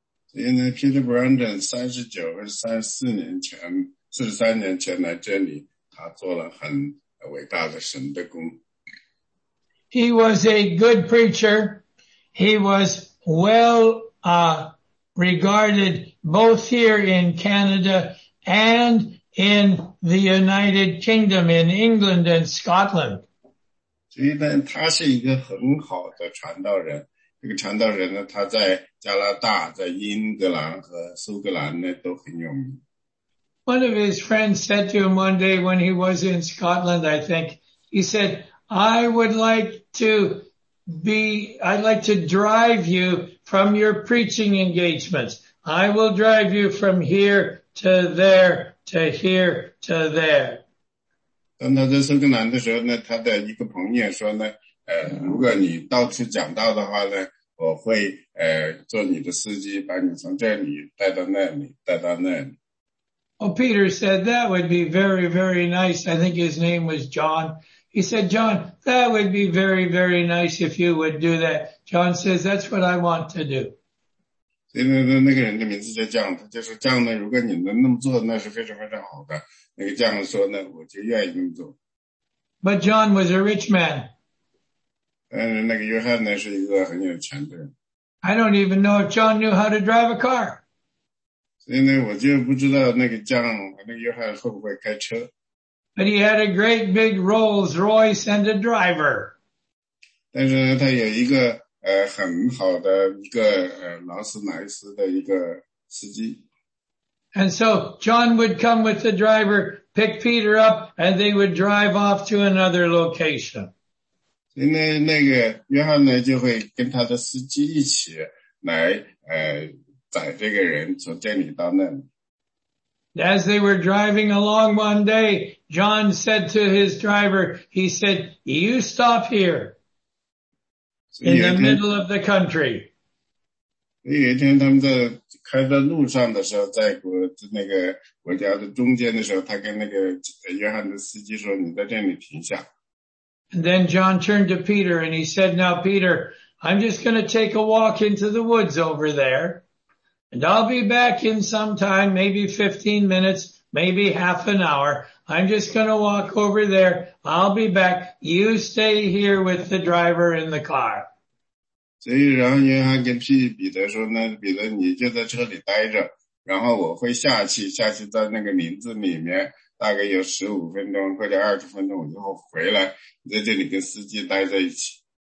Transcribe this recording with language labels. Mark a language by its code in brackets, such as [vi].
[zh] 所以呢 Peter Brandon 43年前来这里，他做了很伟大的神的功。 [en] He was a good preacher. He was well regarded both here in Canada and in the United Kingdom, in England and Scotland. [zh] 所以呢，他是一个很好的传道人。这个传道人呢，他在加拿大、在英格兰和苏格兰呢都很有名。 [en] One of his friends said to him one day when he was in Scotland, I think, he said, "I would like to be, I'd like to drive you from your preaching engagements. I will drive you from here to there to here to there." [zh] 当他在苏格兰的时候呢，他的一个朋友说呢，如果你到处讲道的话呢，我会做你的司机，把你从这里带到那里，带到那里。 [en] Oh, Peter said, that would be very, very nice. I think his name was John. He said, John, that would be very, very nice if you would do that. John says, that's what I want to do. [zh] 那个人的名字叫 John, 他就说 John 呢，如果你能那么做，那是非常非常好的。那个 John 说呢，我就愿意那么做。 [en] But John was a rich man. [zh] 但是那个约翰呢，是一个很有钱的人。 [en] I don't even know if John knew how to drive a car. [zh] 所以呢，我就不知道那个John和那个约翰会不会开车。 [en] But he had a great big Rolls Royce and a driver. [zh] 但是呢，他有一个很好的一个劳斯莱斯的一个司机。 [en] And so John would come with the driver, pick Peter up, and they would drive off to another location. [zh] 所以呢，那个约翰呢就会跟他的司机一起来载这个人从这里到那里。 [en] As they were driving along one day, John said to his driver, he said, "You stop here in the middle of the country." [zh] 有一天他们在开在路上的时候，在那个国家的中间的时候，他跟那个约翰的司机说，你在这里停下。 [en] And then John turned to Peter and he said, "Now, Peter, I'm just going to take a walk into the woods over there. And I'll be back in some time, maybe 15 minutes, maybe half an hour. I'm just going to walk over there. I'll be back. You stay here with the driver in the car." [zh] 所以然后约翰跟彼得说呢，彼得你就在车里待着，然后我会下去在那个林子里面，大概有15分钟或者20分钟，我就会回来，在这里跟司机待在一起。